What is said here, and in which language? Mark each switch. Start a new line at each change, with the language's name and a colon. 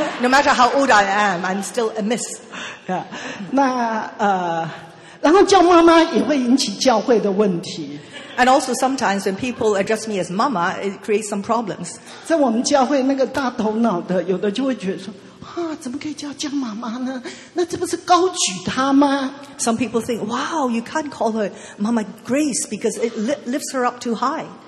English: No matter how old I am, I'm still a miss. Yeah.
Chinese: 那然后叫妈妈也会引起教会的问题。
English: And also sometimes when people address me as mama, it creates some problems.
Chinese: 在我们教会那个大头脑的，有的就会觉得说。怎么可以叫姜妈妈呢？那这不是高举她吗？
English: Some people think, wow, you can't call her Mama Grace because it lifts her up too high.